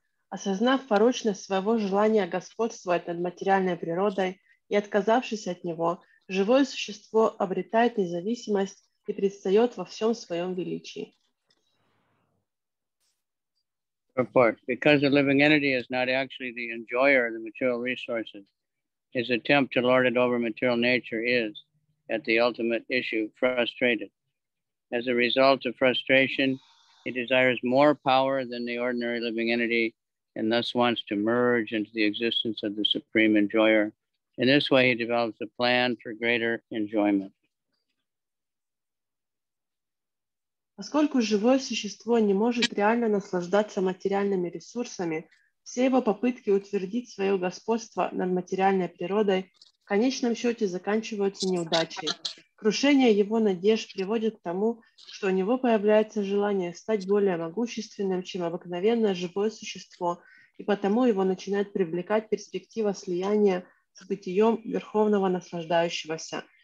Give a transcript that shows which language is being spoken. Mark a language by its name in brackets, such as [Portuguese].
[Russian] Осознав порочность своего желания господствовать над материальной природой и отказавшись от него, живое существо обретает независимость и предстает во всем своем величии. [English] Report. Because the living entity is not actually the enjoyer of the material resources, his attempt to lord it over material nature is, at the ultimate issue, frustrated. As a result of frustration, he desires more power than the ordinary living entity, and thus wants to merge into the existence of the supreme enjoyer. In this way, he develops a plan for greater enjoyment. [Russian] Поскольку живое существо не может реально наслаждаться материальными ресурсами, все его попытки утвердить свое господство над материальной природой в конечном счете заканчиваются неудачей. Крушение его надежд приводит к тому, что у него появляется желание стать более могущественным, чем обыкновенное живое существо, и потому его начинает привлекать перспектива слияния с бытием Верховного Наслаждающегося.